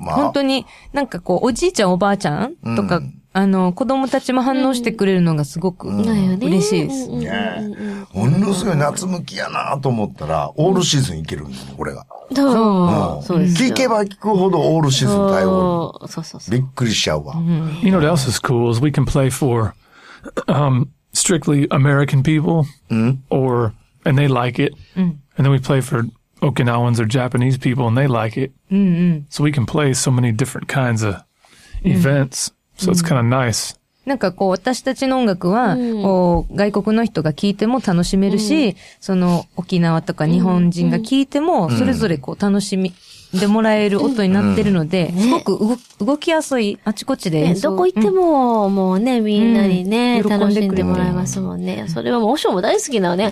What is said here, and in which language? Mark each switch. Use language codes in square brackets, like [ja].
[ja] 本当に、なんかこう、おじいちゃん、おばあちゃんとか、子供たちも反応してくれるのがすごく嬉しいです。ものすごい夏向きやなと思ったら、オールシーズンいけるんだね、これが。そう。聞けば聞くほどオールシーズン対応。そう。びっくりしちゃうわ。 [en] You know what else is cool is we can play for, strictly American people, or and they like it. Mm. And then we play for Okinawans or Japanese people, and they like it. Mm-hmm. So we can play so many different kinds of events. Mm-hmm. So it's kind of nice. [ja] なんかこう私たちの音楽はこう外国の人が聴いても楽しめるし、うん、その沖縄とか日本人が聴いてもそれぞれこう楽しみでもらえる音になってるので、うんうん、すごく動きやすいあちこちで演奏、ね、どこ行ってももうねみんなにね、うん、楽しんでもらえますもんね、うん、それはもうオショーも大好きなね